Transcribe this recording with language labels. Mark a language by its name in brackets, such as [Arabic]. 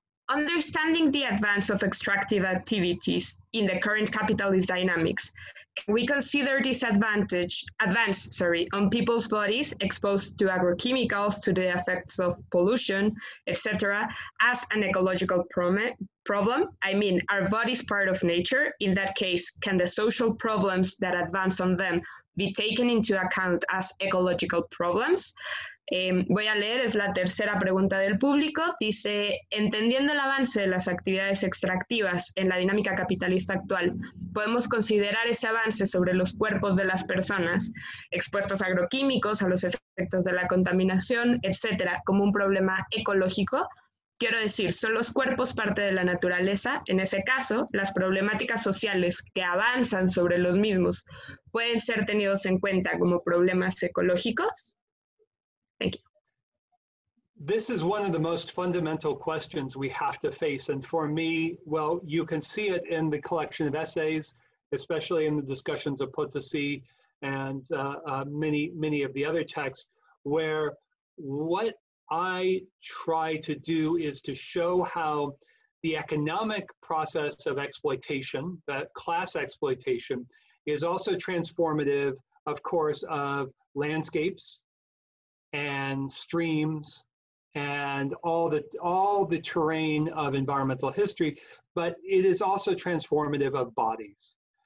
[English] Understanding the advance of extractive activities in the current capitalist dynamics, can we consider this advance on people's bodies exposed to agrochemicals, to the effects of pollution, etc., as an ecological problem? I mean, are bodies part of nature? In that case, can the social problems that advance on them be taken into account as ecological problems? [Spanish] Voy a leer, es la tercera pregunta del público. Dice, entendiendo el avance de las actividades extractivas en la dinámica capitalista actual, ¿podemos considerar ese avance sobre los cuerpos de las personas expuestos a agroquímicos, a los efectos de la contaminación, etcétera, como un problema ecológico? Quiero decir, ¿son los cuerpos parte de la naturaleza? En ese caso, ¿las problemáticas sociales que avanzan sobre los mismos pueden ser tenidos en cuenta como problemas ecológicos? [English] Thank you. This is one of the most fundamental questions we have to face. And for me, well, you can see it in the collection of essays, especially in the discussions of Potosí and many of the other texts, where what I try to do is to show how the economic process of exploitation, that class exploitation, is also transformative, of course, of landscapes and streams and all the terrain of environmental history, but it is also transformative of bodies.